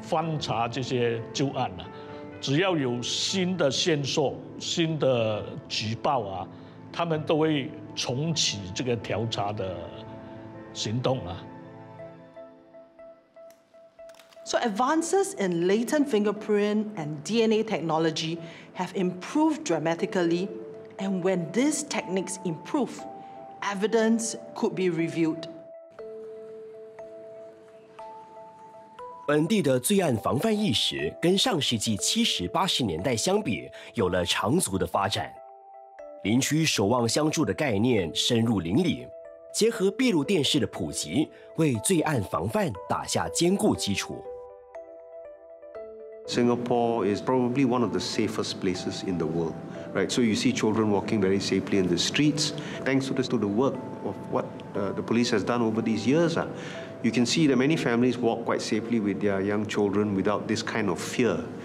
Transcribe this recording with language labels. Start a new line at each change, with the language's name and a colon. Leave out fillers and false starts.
Chinese: 翻查这些旧案呢，只要有新的线索、新的举报啊，他们都会重启这个调查的行动啊。
English: So advances in latent fingerprint and DNA technology have improved dramatically, and when these techniques improve, evidence could be reviewed.
Chinese: 本地的罪案防范意识跟上世纪七十八十年代相比有了长足的发展。邻居守望相助的概念深入邻里，结合闭路电视的普及，为罪案防范打下坚固基础。
English: Singapore is probably one of the safest places in the world, right? So you see children walking very safely in the streets, thanks to the work of what the police has done over these years. You can see that many families walk quite safely with their young children without this kind of fear.